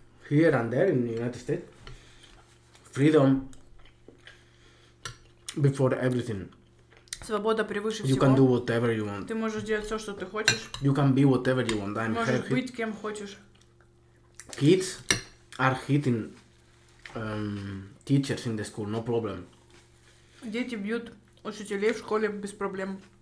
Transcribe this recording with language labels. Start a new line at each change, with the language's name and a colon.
English: Here and there in the United States. Freedom. Before everything.
Russian: Свобода превыше всего.
English: You can do whatever you want.
Russian: Ты можешь делать все, что ты хочешь.
English: You can be whatever you want. I'm
Russian: можешь
English: hurt.
Russian: Быть кем хочешь.
English: Kids are hitting teachers in the school, no problem.
Russian: Дети бьют учителей в школе без проблем.